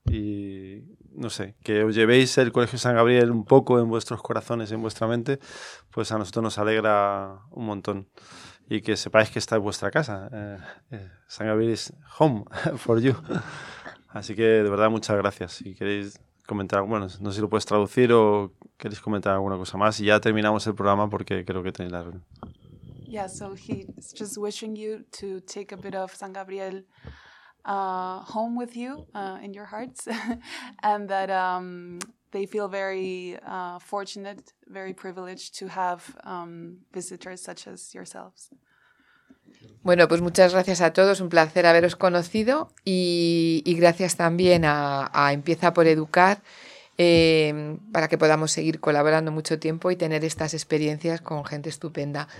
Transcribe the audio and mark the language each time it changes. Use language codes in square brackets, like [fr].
[es] Y no sé, que os llevéis el Colegio San Gabriel un poco en vuestros corazones, en vuestra mente, pues a nosotros nos alegra un montón. Y que sepáis que esta es vuestra casa. [en] San Gabriel is home for you. [es] Así que de verdad muchas gracias. Si queréis comentar, bueno, no sé si lo puedes traducir o queréis comentar alguna cosa más y ya terminamos el programa porque creo que tenéis la reunión. [en] Yeah, so he's just wishing you to take a bit of San Gabriel home with you in your hearts and that they feel very fortunate, very privileged to have visitors such as yourselves. [es] Bueno, pues muchas gracias a todos, un placer haberos conocido y gracias también a Empieza por Educar para que podamos seguir colaborando mucho tiempo y tener estas experiencias con gente estupenda.